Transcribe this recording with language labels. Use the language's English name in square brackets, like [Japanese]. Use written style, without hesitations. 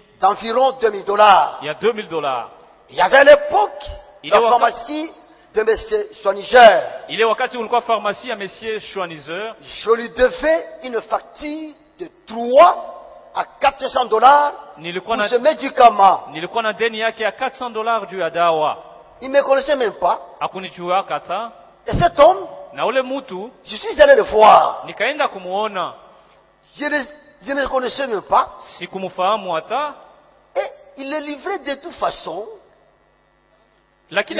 [French] D'environ 2000 dollars. Il y a 2000 dollars. Il y avait à l'époque la pharmacie de M. Schoeniger. Il est [Swahili] wakati ulikuwa pharmacie ya M. Schoeniger. [French] Je lui devais une facture de 300 à 400 dollars pour ce médicament. [Swahili] Nilikuwa na deni yake ya 400 dollars juu ya dawa. [French] Il ne me connaissait même pas. [Swahili] Hakunijua kata. [French] Et cet homme, [Swahili] na ule mutu, [French] je suis allé le voir. [Swahili] Nikaenda kumuona. [French] Je ne le connaissais même pas. [Swahili] Si kumufahamu hata. [French] Et il le livrait de toute façon. [Swahili] Lakini